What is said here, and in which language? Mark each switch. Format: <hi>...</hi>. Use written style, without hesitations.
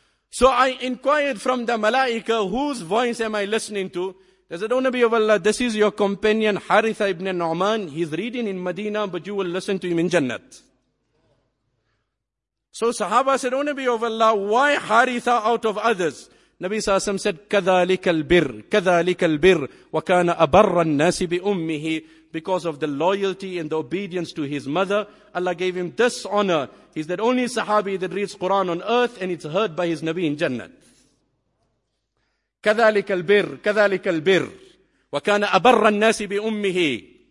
<en>So I inquired from the malaika, whose voice am I listening to? They said, O Nabi of Allah, this is your companion, Haritha ibn Nu'man. He's reading in Medina, but you will listen to him in Jannah. So Sahaba said, O Nabi of Allah, why Haritha out of others?</en> <ar>Nabi Sallallahu Alaihi Wasallam said, كَذَلِكَ الْبِرِّ كَذَلِكَ الْبِرِّ وَكَانَ أَبَرَّ النَّاسِ بِأُمِّهِ.</ar> <en>Because of the loyalty and the obedience to his mother, Allah gave him this honor. He's that only sahabi that reads Quran on earth and it's heard by his Nabi in Jannah.</en> <ar>كَذَلِكَ الْبِرِّ كَذَلِكَ الْبِرِّ وَكَانَ أَبَرَّ النَّاسِ بِأُمِّهِ.</ar>